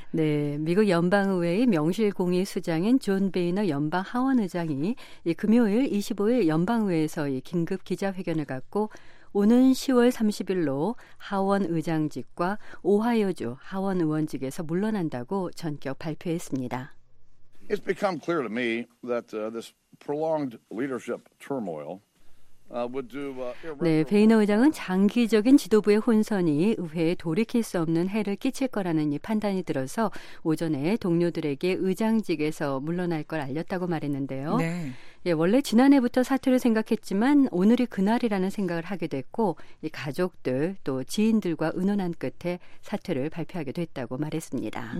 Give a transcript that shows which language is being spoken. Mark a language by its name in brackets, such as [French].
[Korean] 네, 미국 연방의회의 명실공히 수장인 존 베이너 연방 하원의장이 이 금요일 25일 연방의회에서 이 긴급 기자회견을 갖고 오는 10월 30일로 하원의장직과 오하이오주 하원의원직에서 물러난다고 전격 발표했습니다. [English] It's become clear to me that this prolonged leadership turmoil [Korean] 네, 베이너 의장은 장기적인 지도부의 혼선이 의회에 돌이킬 수 없는 해를 끼칠 거라는 이 판단이 들어서 오전에 동료들에게 의장직에서 물러날 걸 알렸다고 말했는데요. 네. 예, 원래 지난해부터 사퇴를 생각했지만 오늘이 그날이라는 생각을 하게 됐고 이 가족들 또 지인들과 의논한 끝에 사퇴를 발표하게 됐다고 말했습니다.